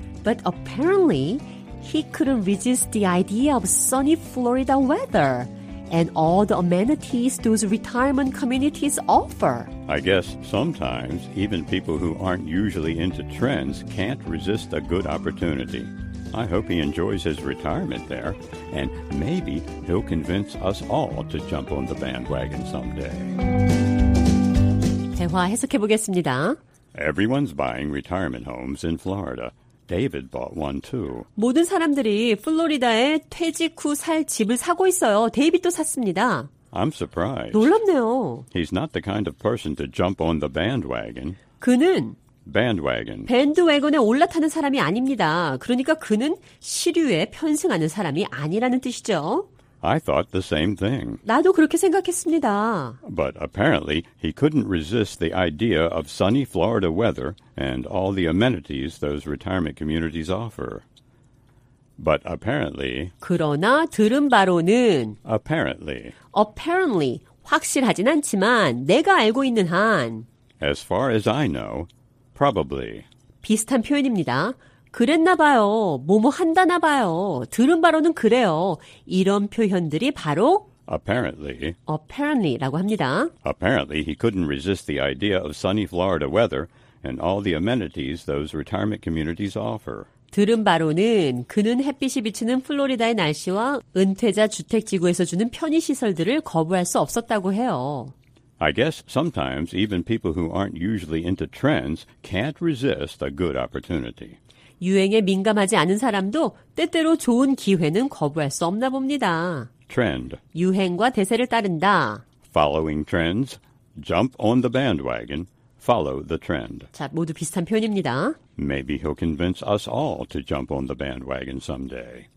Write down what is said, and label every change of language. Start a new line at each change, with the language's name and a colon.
English: But apparently, he couldn't resist the idea of sunny Florida weather and all the amenities those retirement communities offer. I guess sometimes even people who aren't usually into trends can't resist a good opportunity. I hope he enjoys his retirement there, and maybe he'll convince us all to jump on the bandwagon someday.
Korean: 대화 해석해 보겠습니다.
English: Everyone's buying retirement homes in Florida. David bought one too.
Korean: 모든 사람들이 플로리다에 퇴직 후 살 집을 사고 있어요. 데이빗도 샀습니다.
English: I'm surprised.
Korean: 놀랍네요.
English: He's not the kind of person to jump on the bandwagon.
Korean: 그는
English: bandwagon.
Korean: 밴드웨건에 올라타는 사람이 아닙니다. 그러니까 그는 시류에 편승하는 사람이 아니라는 뜻이죠.
English: I thought the same thing.
Korean: 나도 그렇게 생각했습니다.
English: But apparently he couldn't resist the idea of sunny Florida weather and all the amenities those retirement communities offer. But apparently
Korean: 그러나 들은 바로는
English: apparently
Korean: 확실하진 않지만 내가 알고 있는 한
English: as far as I know probably
Korean: 비슷한 표현입니다. 그랬나 봐요. 뭐뭐 한다나 봐요. 들은 바로는 그래요. 이런 표현들이 바로 apparently라고 합니다.
English: Apparently he couldn't resist the idea of sunny Florida weather and all the amenities those retirement communities offer.
Korean: 들은 바로는 그는 햇빛이 비치는 플로리다의 날씨와 은퇴자 주택 지구에서 주는 편의 시설들을 거부할 수 없었다고 해요.
English: I guess sometimes even people who aren't usually into trends can't resist a good opportunity.
Korean: 유행에 민감하지 않은 사람도 때때로 좋은 기회는 거부할 수 없나 봅니다.
English: Trend.
Korean: 유행과 대세를 따른다.
English: Following trends. Jump on the bandwagon. Follow the trend.
Korean: 자, 모두 비슷한 표현입니다.
English: Maybe he'll convince us all to jump on the bandwagon someday.